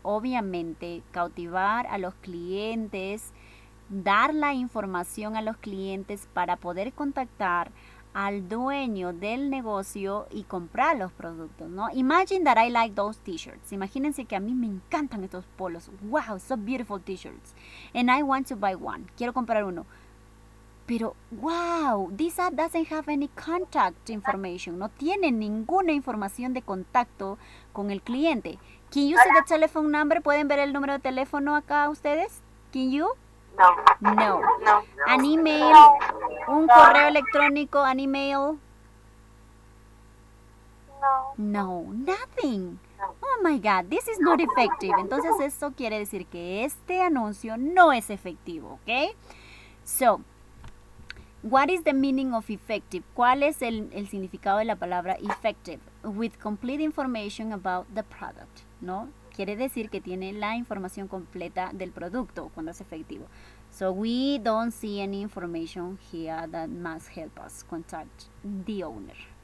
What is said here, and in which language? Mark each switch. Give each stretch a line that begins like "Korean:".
Spanish: Obviamente, cautivar a los clientes, dar la información a los clientes para poder contactar al dueño del negocio y comprar los productos, ¿no?
English: Imagine that I like those t-shirts.
Spanish: Imagínense que a mí me encantan estos polos.
English: Wow, so beautiful t-shirts. And I want to buy one.
Spanish: Quiero comprar uno.
English: Pero, wow, this ad doesn't have any contact information.
Spanish: No tiene ninguna información de contacto con el cliente.
English: Can you see the telephone number?
Spanish: ¿Pueden ver el número de teléfono acá ustedes?
English: Can you? No. No. No. An email,
Spanish: un correo electrónico,
English: an email. No. No, nothing. Oh my God, this is not effective.
Spanish: Entonces, esto quiere decir que este anuncio no es efectivo, ¿ok?
English: So, what is the meaning of effective?
Spanish: ¿Cuál es el significado de la palabra effective?
English: With complete information about the product,
Spanish: ¿no? Quiere decir que tiene la información completa del producto cuando es efectivo.
English: So we don't see any information here that must help us contact the owner.